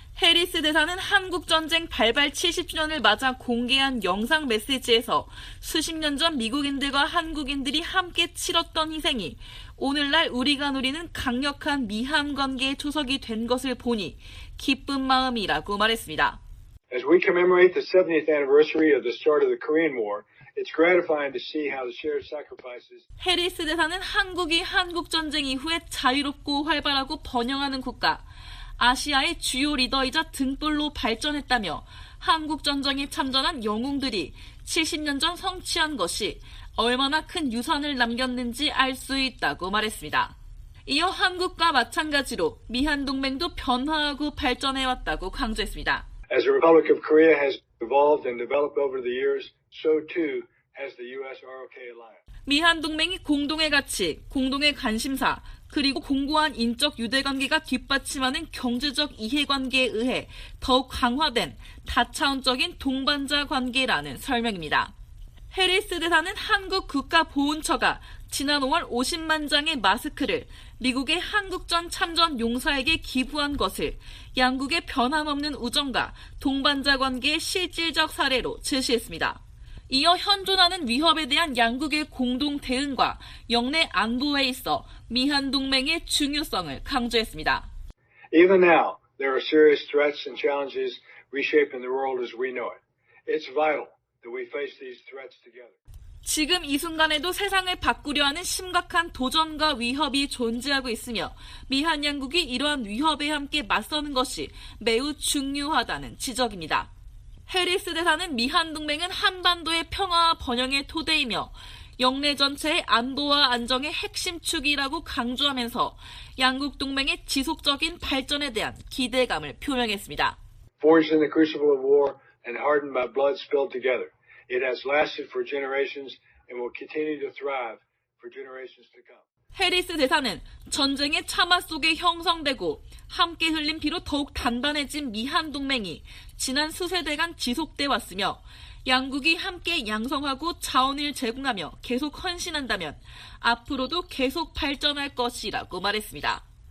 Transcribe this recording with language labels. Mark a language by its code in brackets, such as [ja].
[ko] 해리스 대사는 한국전쟁 발발 70주년을 맞아 공개한 영상 메시지에서 수십 년 전 미국인들과 한국인들이 함께 치렀던 희생이 오늘날 우리가 누리는 강력한 미한 관계의 초석이 된 것을 보니 기쁜 마음이라고 말했습니다. [en] As we commemorate the 70th anniversary of the start of the Korean War, it's gratifying to see how the shared sacrifices. [ko] 해리스 대사는 한국이 한국 전쟁 이후에 자유롭고 활발하고 번영하는 국가, 아시아의 주요 리더이자 등불로 발전했다며 한국 전쟁에 참전한 영웅들이 70년 전 성취한 것이 얼마나 큰 유산을 남겼는지 알 수 있다고 말했습니다. 이어 한국과 마찬가지로 미한 동맹도 변화하고 발전해 왔다고 강조했습니다. [en] As the Republic of Korea has evolved and developed over the years, so too as the US ROK alliance. [ko] 미한 동맹이 공동의 가치, 공동의 관심사, 그리고 공고한 인적 유대관계가 뒷받침하는 경제적 이해관계에 의해 더욱 강화된 다차원적인 동반자 관계라는 설명입니다. 해리스 대사는 한국 국가보훈처가 지난 5월 50만 장의 마스크를 미국의 한국전 참전 용사에게 기부한 것을 양국의 변함없는 우정과 동반자 관계의 실질적 사례로 제시했습니다. 이어 현존하는 위협에 대한 양국의 공동 대응과 영내 안보에 있어 미한 동맹의 중요성을 강조했습니다. [en] Even now, there are serious threats and challenges reshaping the world as we know it. It's vital that we face these threats together. [ko] 지금 이 순간에도 세상을 바꾸려 하는 심각한 도전과 위협이 존재하고 있으며 미한 양국이 이러한 위협에 함께 맞서는 것이 매우 중요하다는 지적입니다. 해리스 대사는 미한 동맹은 한반도의 평화와 번영의 토대이며 영내 전체의 안보와 안정의 핵심 축이라고 강조하면서 양국 동맹의 지속적인 발전에 대한 기대감을 표명했습니다. [en] Forged in the crucible of war and hardened by blood spilled together, it has lasted for generations and will continue to thrive for generations to come. [ko] 해리스 대사는 전쟁의 참화 속에 형성되고 함께 흘린 피로 더욱 단단해진 미한 동맹이 지난 수세대간 지속돼 왔으며 양국이 함께 양성하고 자원을 제공하며 계속 헌신한다면 앞으로도 계속 발전할 것이라고 말했습니다.